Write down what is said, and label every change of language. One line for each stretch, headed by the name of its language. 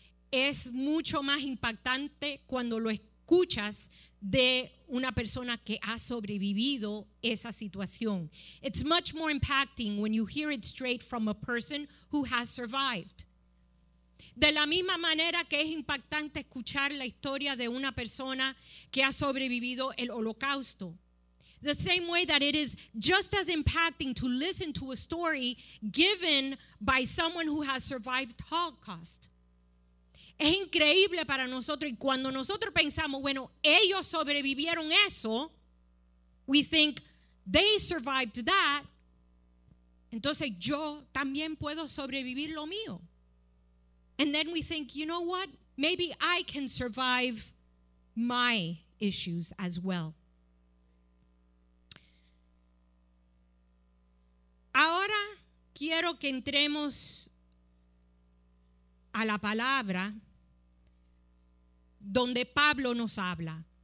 Spanish: Es mucho más impactante cuando lo escuchas de una persona que ha sobrevivido esa situación.
English: It's much more impacting when you hear it straight from a person who has survived.
Spanish: De la misma manera que es impactante escuchar la historia de una persona que ha sobrevivido el holocausto.
English: The same way that it is just as impacting to listen to a story given by someone who has survived Holocaust.
Spanish: Es increíble para nosotros, y cuando nosotros pensamos, bueno, ellos sobrevivieron eso,
English: we think, they survived that,
Spanish: entonces yo también puedo sobrevivir lo mío.
English: And then we think, you know what, maybe I can survive my issues as well.
Spanish: Ahora quiero que entremos a la palabra donde Pablo nos habla.